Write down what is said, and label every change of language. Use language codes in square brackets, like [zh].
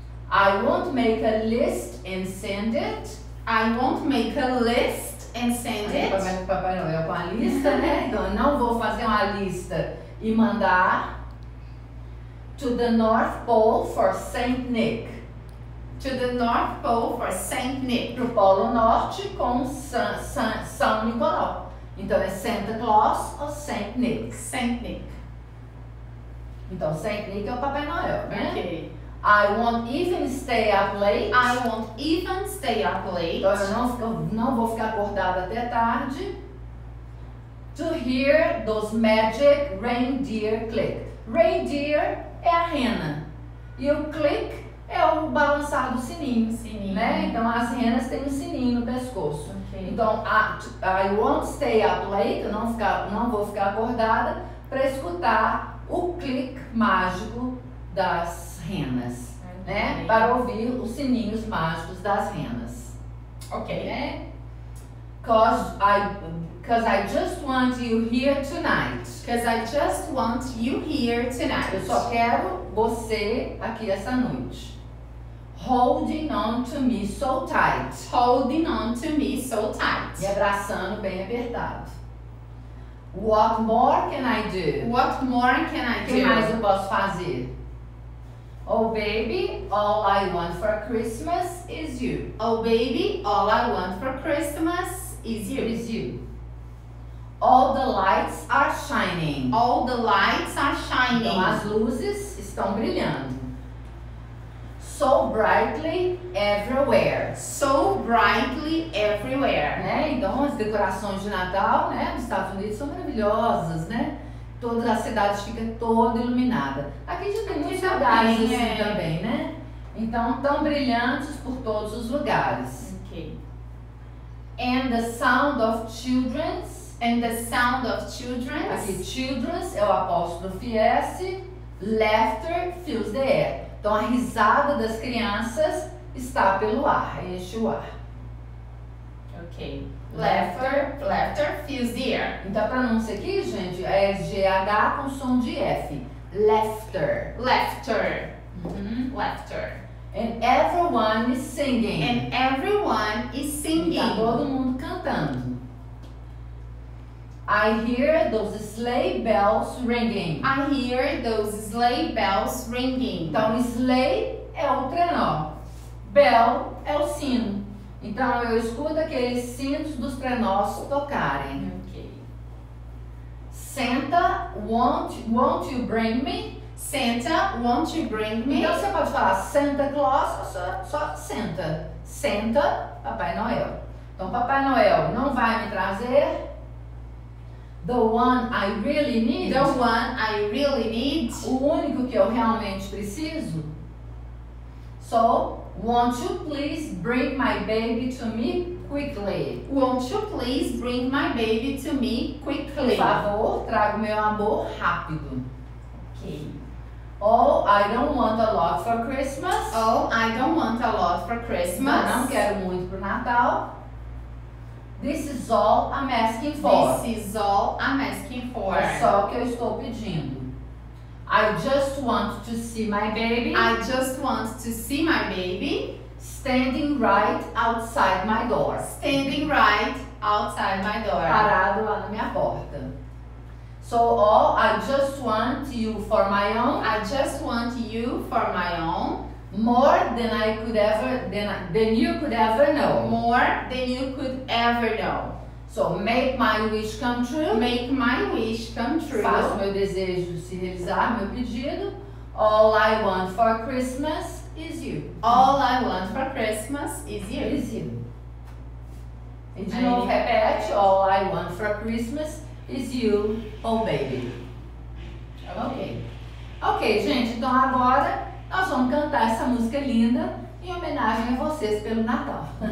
[en] I won't make a list and send it. I won't make a list and send it. [pt] Papai Noel com a lista, né? Então, eu não vou fazer uma lista e mandar. [en] To the North Pole for Saint Nick. To the North Pole for Saint Nick. [pt] Pro Polo Norte com São Nicolau. Então é Santa Claus ou Saint Nick? [en] Saint Nick. [pt] Então Saint Nick é o Papai Noel, né? Ok. [en] I won't even stay up late. I won't even stay up late. [pt] Então eu não vou ficar acordada até tarde. [en] To hear those magic reindeer click. [pt] Reindeer é a rena. E o click é o balançar do sininho. Sininho. Né? Então as renas têm um sininho no pescoço. Okay. [en] Então I won't stay up late. [pt] Não vou ficar acordada para escutar o click mágico das renas, né? Para ouvir os sininhos mágicos das renas. Ok. Né? [en] Cause I just want you here tonight. Cause I just want you here tonight. [pt] Eu só quero você aqui essa noite. [en] Holding on to me so tight. Holding on to me so tight. [pt] E abraçando bem apertado. [en] What more can I do? What more can I do? [pt] O que mais eu posso fazer? [en] Oh baby, all I want for Christmas is you. Oh baby, all I want for Christmas is you. Is you. All the lights are shining. All the lights are shining. [pt] Então, as luzes estão brilhando. [en] So brightly everywhere. So brightly everywhere. [pt] Né? Então as decorações de Natal, né, nos Estados Unidos são maravilhosas, né? Todas as cidades ficam toda iluminada. Aqui já tem muitas cidades assim também, né? Então, tão brilhantes por todos os lugares. Ok. [en] And the sound of children's. And the sound of children's. [pt] Aqui, children's é o apóstrofe S. [en] Laughter fills the air. [pt] Então, a risada das crianças está pelo ar, este o ar. [en] Ok. Laughter, laughter, fills the air. [pt] Então a pronúncia aqui, gente, é GH com som de F. [en] Laughter. Laughter. Uh-huh. Laughter. And everyone is singing. And everyone is singing. [pt] E tá todo mundo cantando. [en] I hear those sleigh bells ringing. I hear those sleigh bells ringing. [pt] Então sleigh é o trenó. Bell é o sino. Então, eu escuto aqueles cintos dos trenós tocarem. Ok. [en] Santa, won't you bring me? Santa, won't you bring me? [pt] Então, você pode falar Santa Claus ou só Santa. Santa, Papai Noel. Então, Papai Noel, não vai me trazer? [en] The one I really need. The one I really need. [pt] O único que eu realmente preciso. [en] So, won't you please bring my baby to me quickly? Won't you please bring my baby to me quickly? [pt] Por favor, traga meu amor rápido. Ok. [en] Oh, I don't want a lot for Christmas. Oh, I don't want a lot for Christmas. [pt] Não quero muito pro Natal. [en] This is all I'm asking for. This is all I'm asking for. [pt] É só o que eu estou pedindo. [en] I just want to see my baby. I just want to see my baby standing right outside my door. Standing right outside my door. [pt] Parado lá na minha porta. [en] So, oh, I just want you for my own. I just want you for my own. More than I could ever than you could ever know. More than you could ever know. So, make my wish come true. Make my wish come true. [pt] Faço meu desejo se realizar, meu pedido. [en] All I want for Christmas is you. All I want for Christmas is you. Is you. [pt] E de novo, repete. [en] All I want for Christmas is you, oh baby. Ok. [pt] Ok, gente. Então, agora nós vamos cantar essa música linda em homenagem a vocês pelo Natal.